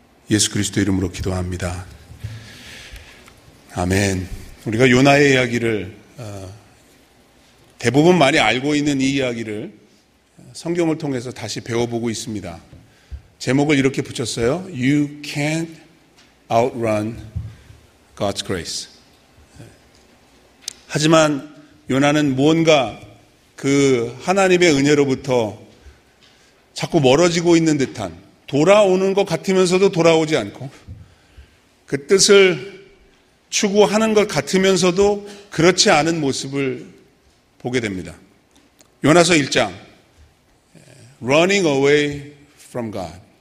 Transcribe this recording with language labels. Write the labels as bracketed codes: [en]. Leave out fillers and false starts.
[ko] 예수 그리스도 이름으로 기도합니다. 아멘. 우리가 요나의 이야기를 대부분 많이 알고 있는 이 이야기를 성경을 통해서 다시 배워보고 있습니다. 제목을 이렇게 붙였어요. [en] You can't outrun God's grace. [ko] 하지만 요나는 무언가 그 하나님의 은혜로부터 자꾸 멀어지고 있는 듯한 돌아오는 것 같으면서도 돌아오지 않고 그 뜻을 추구하는 것 같으면서도 그렇지 않은 모습을 보게 됩니다. 요나서 1장 [en] Running away from God.